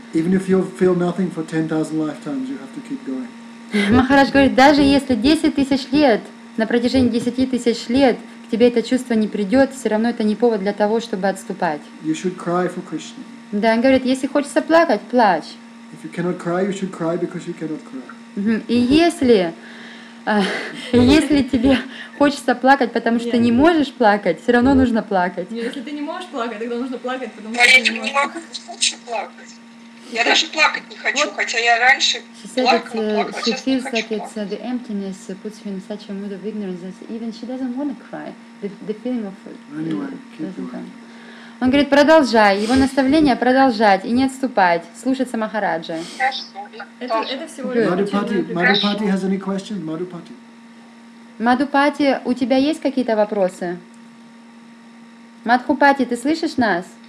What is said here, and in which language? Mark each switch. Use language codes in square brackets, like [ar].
[en] Even if you feel nothing for 10,000 lifetimes, you have to keep going. [ru] Махарадж говорит, даже если 10,000 лет, на протяжении 10,000 лет, к тебе это чувство не придет, все равно это не повод для того, чтобы отступать. [en] You should cry for Krishna. [ru] Да, он говорит, если хочется плакать, плачь. [en] If you cannot cry, you should cry because you cannot cry. [ru] И если если тебе хочется плакать, потому что ты не можешь плакать, все равно нужно плакать. Нет, если ты не можешь плакать, тогда нужно плакать, потому что ты не можешь плакать. Я даже плакать не хочу, хотя я раньше плакала, плакала, сейчас не хочу плакать. [en] The emptiness puts her in such a mood of ignorance that even she doesn't want to cry. The feeling of it. [ru] Он говорит, продолжай, его наставление продолжать и не отступать, слушаться Махараджа. Это Мадхупати, Мадхупати, у тебя есть какие-то вопросы? Мадхупати, ты слышишь нас?